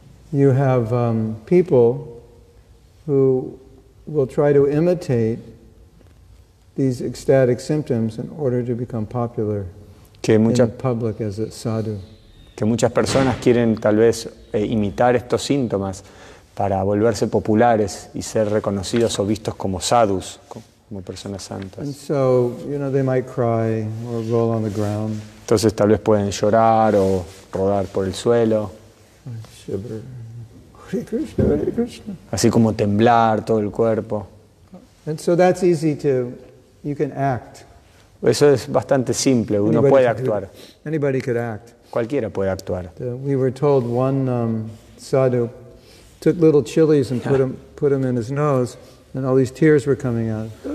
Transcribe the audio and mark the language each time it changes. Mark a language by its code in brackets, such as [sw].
[en] You have people who will try to imitate these ecstatic symptoms in order to become popular in public as a sadhu. [es] Que muchas personas quieren tal vez imitar estos síntomas para volverse populares y ser reconocidos o vistos como sadhus, como personas santas. [en] And so, you know, they might cry or roll on the ground. [es] Entonces tal vez pueden llorar o rodar por el suelo. [en] Shiver. Hare Krishna, Hare Krishna. [es] Así como temblar todo el cuerpo. [en] And so that's easy to, you can act. [es] Eso es bastante simple, uno anybody puede actuar. [en] Could, anybody could act. [es] Cualquiera puede actuar. [en] We were told one sadhu took little chilies and put them in his nose, and all these tears were coming out.